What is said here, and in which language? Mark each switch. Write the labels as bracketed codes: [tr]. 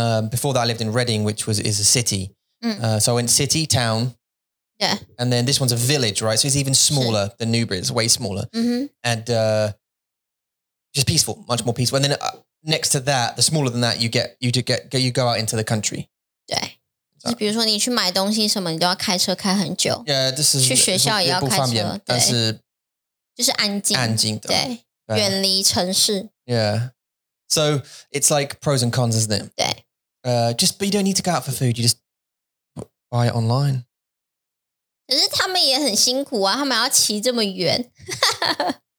[en] Before that, I lived in Reading, which is a city. So I went city, town, Yeah. And then this one's a village, right? So it's even smaller than Nubra. It's way smaller. Mm-hmm. And just peaceful, much more peaceful. And then next to that, the smaller than that, you get you go out into the country. [zh] 就比如说你去买东西什么，你都要开车开很久。 [en] Yeah, this is [zh] 去学校也要开车，但是就是安静，安静的，对，远离城市。 [en] Yeah, so it's like pros and cons, isn't it? [zh] 对， [en] but you don't need to go out for food. You just buy it online. [zh] 可是他们也很辛苦啊，他们要骑这么远。The